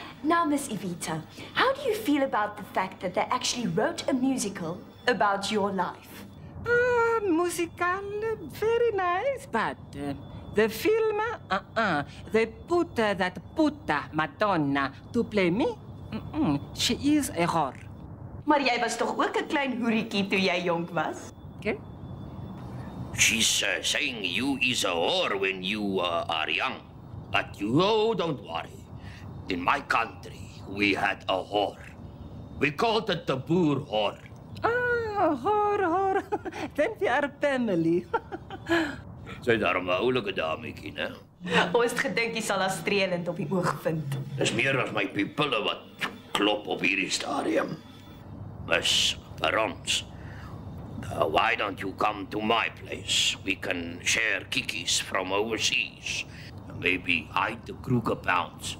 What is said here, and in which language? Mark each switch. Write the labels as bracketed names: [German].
[English] Now, Miss Evita, how do you feel about the fact that they actually wrote a musical about your life? Musical, very nice, but the film, they put that puta Madonna to play me. She is a whore. [Afrikaans] Maar jy was toch ook 'n klein hoerietjie toe jy jonk was? [English] Okay. She's saying you is a whore when you are young. But you don't worry. In my country, we had a whore. We called it the boer whore. Ah, whore, whore. Then we are family. [Afrikaans] Sy is daarom 'n oulike dametjie, né? Ons het gedink jy sal haar streelend op die oog vind. Dis meer as my pupille wat klop op hierdie stadium. [English] Miss Perons, why don't you come to my place? We can share kikkies from overseas. Maybe hide the Kruger pounds.